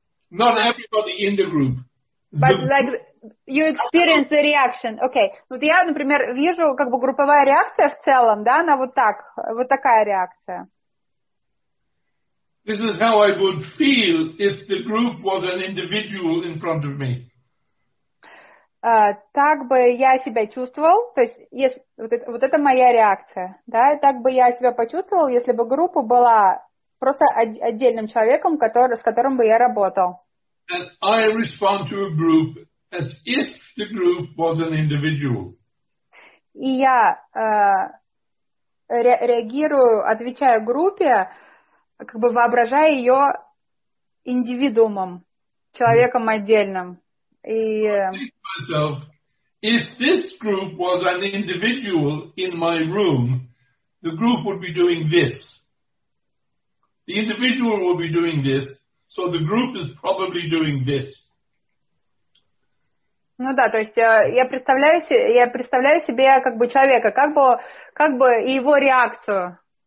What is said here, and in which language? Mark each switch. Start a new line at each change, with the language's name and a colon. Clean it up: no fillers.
English: Not everybody in the group. But you experience the reaction. Okay.
Russian: Вот я, например, вижу как бы групповая реакция в целом, да, она вот так, вот такая реакция.
English: This is how I would feel if the group was an individual in front of me.
Russian: Так бы я себя чувствовал, то есть если, вот это моя реакция, да, так бы я себя почувствовал, если бы группа была просто отдельным человеком, с которым бы я работал.
English: And I respond to a group as if the group was an individual.
Russian: И я реагирую, отвечаю группе, как бы воображая ее индивидуумом, человеком отдельным. И
English: myself, if this group was an individual in my room, the group would be doing this. The individual would be doing this, so the group is probably doing this.
Russian: Ну да, то есть я представляю себе как бы человека, как бы его реакцию.